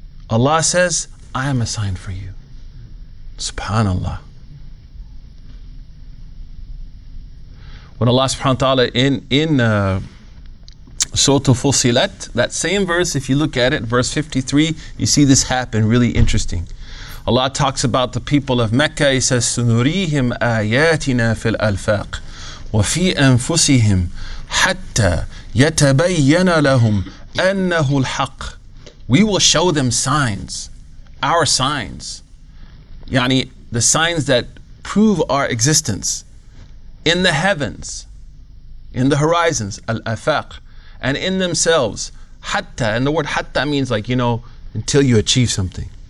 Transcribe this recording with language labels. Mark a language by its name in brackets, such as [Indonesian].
[English] Allah says, I am a sign for you. SubhanAllah. When Allah subhanahu wa ta'ala in Surah Al-Fussilat, that same verse, if you look at it, verse 53, you see this happen, really interesting. Allah talks about the people of Mecca. [Arabic] He says, سُنُرِيهِمْ آيَاتِنَا فِي الْأَلْفَاقِ وَفِي أَنفُسِهِمْ حَتَّى يَتَبَيَّنَ لَهُمْ أَنَّهُ الْحَقِّ. [English] We will show them signs, our signs. Yani, the signs that prove our existence in the heavens, in the horizons, al-afaq, and in themselves, hatta, and the word hatta means like, you know, until you achieve something.